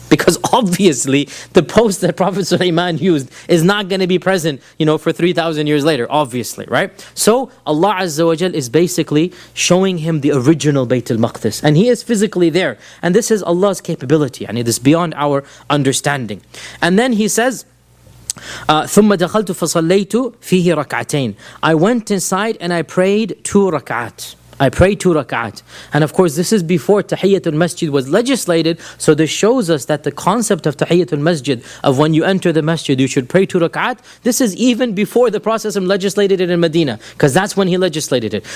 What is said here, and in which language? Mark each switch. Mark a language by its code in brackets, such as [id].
[en] Because obviously, the post that Prophet Sulaiman used is not going to be present, you know, for 3,000 years later, obviously, right? So, Allah Azza wa Jal is basically showing him the original Bayt al-Maqdis. And he is physically there. And this is Allah's capability. And it is beyond our understanding. And then he says, [ar] ثم دخلت فصليت فيه ركعتين. [en] I went inside and I prayed two rak'at. I prayed two rak'at. And of course, this is before Tahiyyatul Masjid was legislated. So this shows us that the concept of Tahiyyatul Masjid, of when you enter the masjid, you should pray two rak'at. This is even before the Prophet legislated it in Medina, because that's when he legislated it.